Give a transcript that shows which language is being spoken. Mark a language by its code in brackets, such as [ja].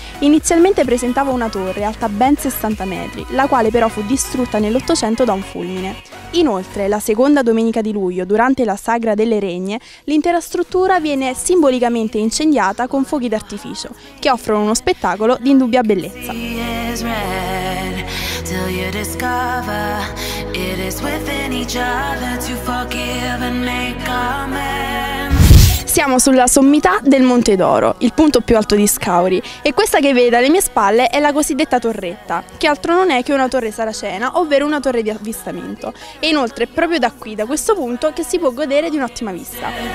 [it] Inizialmente presentava una torre alta ben 60 metri, la quale però fu distrutta nell'Ottocento da un fulmine. Inoltre, la seconda domenica di luglio, durante la Sagra delle Regne, l'intera struttura viene simbolicamente incendiata con fuochi d'artificio, che offrono uno spettacolo di indubbia bellezza. [en] Till you discover it is within each other to forgive and make amends. [it] Siamo sulla sommità del Monte d'Oro, il punto più alto di Scauri, e questa che vedete alle mie spalle è la cosiddetta torretta, che altro non è che una torre saracena, ovvero una torre di avvistamento. E inoltre è proprio da qui, da questo punto, che si può godere di un'ottima vista.